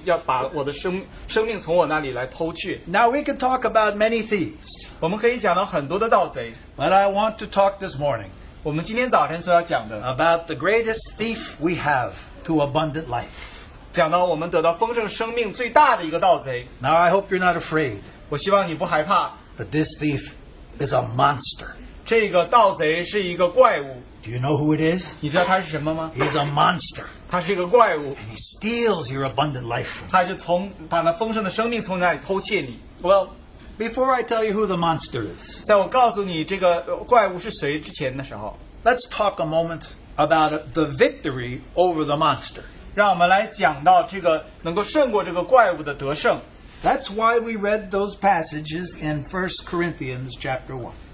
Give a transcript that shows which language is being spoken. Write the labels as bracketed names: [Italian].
[Chinese] 但是或迟或早就发现那里有个盗贼要把我的生命从我那里来偷去。 [English] Now we can talk about many thieves. [Chinese] 我们可以讲到很多的盗贼。 [English] But I want to talk this morning. [Chinese] 我们今天早晨所要讲的。 [English] About the greatest thief we have to abundant life. [Chinese] 讲到我们得到丰盛生命最大的一个盗贼。 [English] Now I hope you're not afraid. [Chinese] 我希望你不害怕。 [English] But this thief is a monster. [Chinese] 这个盗贼是一个怪物。 [English] Do you know who it is? [Chinese] 你知道他是什么吗? [English] He's a monster. [Chinese] 他是一个怪物, [English] and he steals your abundant life from you. [Chinese] 他就从把那丰盛的生命从那里偷窃你。 [English] Well, before I tell you who the monster is, [Chinese] 在我告诉你这个怪物是谁之前的时候, [English] let's talk a moment about the victory over the monster. [Chinese] 让我们来讲到这个能够胜过这个怪物的得胜。 [English] That's why we read those passages in 1 Corinthians chapter 1.